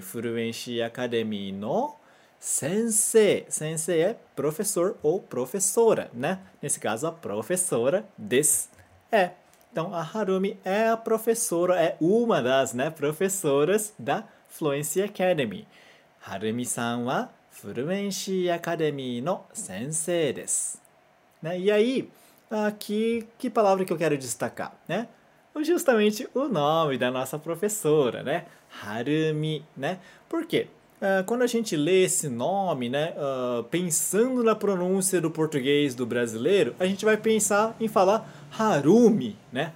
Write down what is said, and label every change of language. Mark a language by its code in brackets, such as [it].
[ja] Fluency Academy no sensei. [pt] Sensei é professor ou professora, né? Nesse caso, a professora desu é. Então, a Harumi é a professora, é uma das, né, professoras da Fluency Academy. [ja] Harumi-san wa フルメンシーアカデミーの先生です。 [pt] Né? E aí, que palavra que eu quero destacar? Né? Justamente o nome da nossa professora, né? Harumi, né? Por quê? Quando a gente lê esse nome, né? Pensando na pronúncia do português do brasileiro, a gente vai pensar em falar Harumi, né?